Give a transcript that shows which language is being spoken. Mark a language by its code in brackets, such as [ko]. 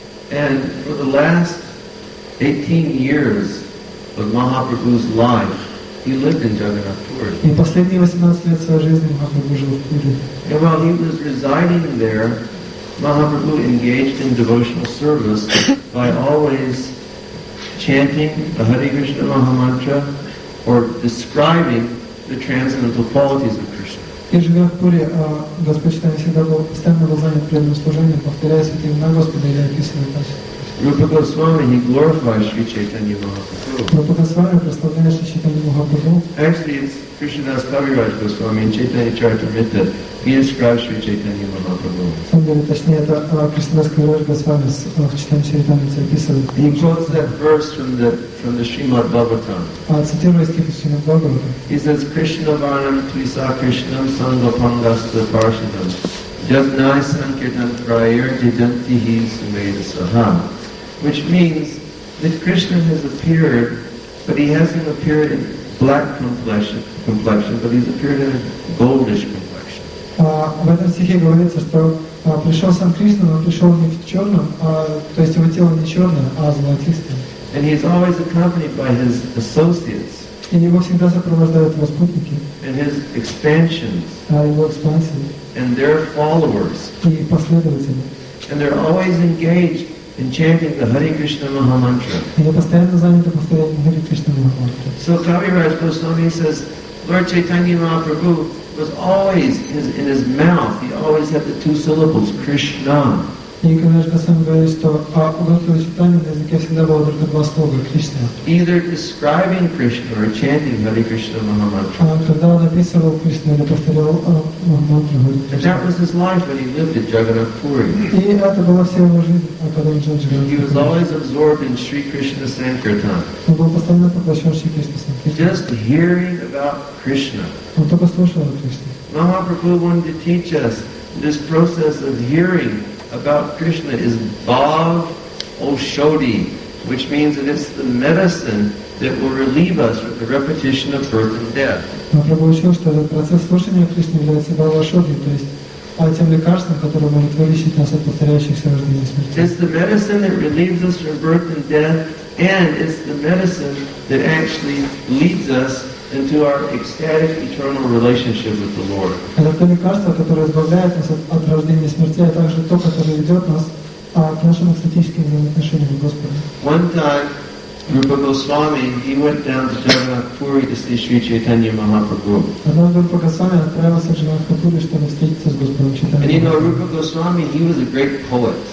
[en] And for the last 18 years of Mahaprabhu's life, he lived in Jagannath Puri. [ru] И последние 18 лет своей жизни Махапрабху жил в Пури. [en] And while he was residing there, Mahaprabhu engaged in devotional service by always chanting the Hare Krishna Mahamantra or describing the transcendental qualities of Krishna. [ru] И живя в Пури, Господь Читания всегда был постоянно занят преданным служением, повторяя святые имена Господа или описывая качества. [en] Rupa Goswami, he glorifies Sri Chaitanya Mahaprabhu. [ru] Rupa Goswami прославляет Sri Chaitanya Mahaprabhu. [en] Actually, it's Krishnadas Kaviraj Goswami in Chaitanya Charitamrita. He describes Sri Chaitanya Mahaprabhu. [ru] Самом точнее это Krishnadas Kaviraj Goswami в Chaitanya Charitamrita описывает. [en] He quotes that verse from the Srimad Bhagavatam. [ru] А цитирует стих из Srimad Bhagavatam. [en] He says, [sa] Krishna Varnam Tvisa Krishnam Sangapangasta Parshadam. Jagnai Sankirtan Prayer Didantihi Sumeda Saha. [en] Which means that Krishna has appeared, but he hasn't appeared in black complexion, but he's appeared in a goldish complexion. [ru] В этом стихе говорится, что пришел сам Кришна, но пришел не в черном, то есть его тело не черное, а золотистое. [en] And he is always accompanied by his associates. [ru] И его всегда сопровождают его спутники. [en] And his expansions. [ru] Его экспансии. [en] And their followers. [ru] И последователи. [en] And they're always engaged in chanting the Hare Krishna Maha Mantra. [ru] Они постоянно заняты повторением Hare Krishna Maha Mantra. [en] So Kaviraj Goswami says, Lord Chaitanya Mahaprabhu was always in his mouth. He always had the two syllables, Krishna. [ru] И Кавираж Госвами говорит, что у Господа Чайтанья на языке всегда было только два слова Кришна. [en] Either describing Krishna or chanting Hare Krishna Maha Mantra. [ru] Когда он описывал Кришну или повторял Маха Мантру, говорит. [en] And that was his life when he lived at Jagannath Puri. [ru] И это была вся его жизнь, когда он жил в Jagannath [en] Puri. He was always absorbed in Sri Krishna Sankirtan. [ru] Он был постоянно поглощен Шри Кришна Санкиртан. [en] Just hearing about Krishna. [ru] Он только слушал о Кришне. [en] Mahaprabhu wanted to teach us this process of hearing about Krishna is Bhav Oshodi, which means that it's the medicine that will relieve us from the repetition of birth and death. [ru] Mahaprabhu учил, что этот процесс слушания Кришны является Бхав Ошоди, то есть тем лекарством, которое может вылечить нас от повторяющихся рождений и смерти. [en] It's the medicine that relieves us from birth and death, and it's the medicine that actually leads us into our ecstatic eternal relationship with the Lord. [ru] Это то лекарство, которое избавляет нас от рождения и смерти, а также то, которое ведет нас к нашему экстатическому взаимоотношению с Господом. [en] One time, Rupa Goswami, he went down to Jagannath Puri to see Sri Chaitanya Mahaprabhu. [ru] Однажды Рупа Госвами отправился в Jagannath Puri, чтобы встретиться с Господом Чайтаньей. [en] And you know, Rupa Goswami, he was a great poet.